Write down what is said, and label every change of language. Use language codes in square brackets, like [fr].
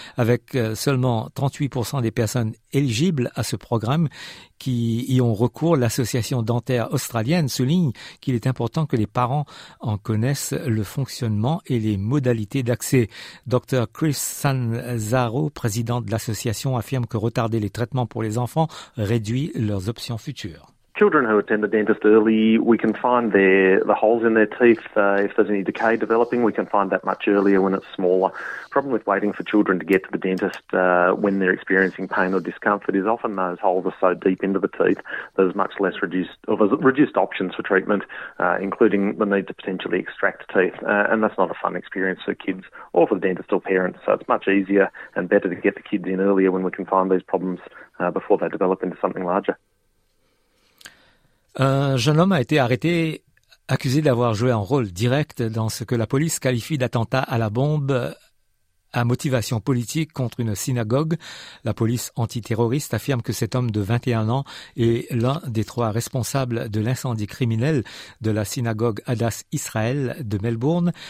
[fr] Avec seulement 38% des personnes éligibles à ce programme qui y ont recours, l'Association dentaire australienne souligne qu'il est important que les parents en connaissent le fonctionnement et les modalités d'accès. Dr Chris Sanzaro, président de l'association, affirme que retarder les traitements pour les enfants réduit leurs options futures. [en] Children who attend the dentist early, we can find the holes in their teeth. If there's any decay developing, we can find that much earlier when it's smaller. Problem with waiting for children to get to the dentist when they're experiencing pain or discomfort is often those holes are so deep into the teeth, there's much less reduced options for treatment, including the need to potentially extract teeth. And that's not a fun experience for kids or for the dentist or parents. So it's much easier and better to get the kids in earlier when we can find these problems before they develop into something larger. [fr] Un jeune homme a été arrêté, accusé d'avoir joué un rôle direct dans ce que la police qualifie d'attentat à la bombe à motivation politique contre une synagogue. La police antiterroriste affirme que cet homme de 21 ans est l'un des 3 responsables de l'incendie criminel de la synagogue Hadas Israël de Melbourne.